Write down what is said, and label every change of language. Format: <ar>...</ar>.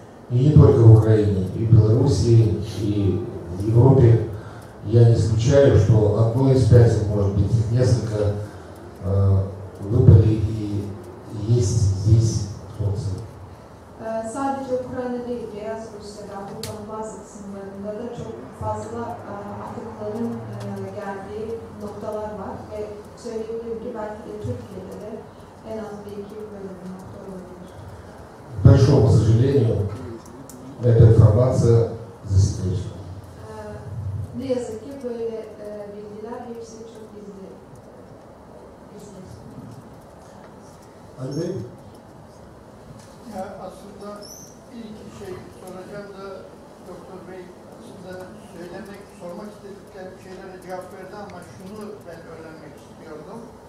<ru>И не только в Украине, и в Белоруссии, и в Европе. Я не исключаю, что одно из пяти, может быть, несколько выпали и есть здесь солнце.</ru> <tr>Sadece Ukrayna değil, Beyaz Rusya'da, Avrupa'nın bazı kısımlarında da çok fazla atıkların geldiği noktalar var. Ve söyleyebilirim ki belki de Türkiye'de de en az bir iki böyle bir nokta olabilir.</tr> <ru>Большому сожалению, эта информация засекречена.</ru> <tr>Ne yazık ki böyle bilgiler hepsi çok gizli. Ali Bey, ya aslında ilk şey soracağım da Doktor Bey aslında söylemek, sormak istedikleri şeylere cevap verdi ama şunu ben öğrenmek istiyordum.</tr>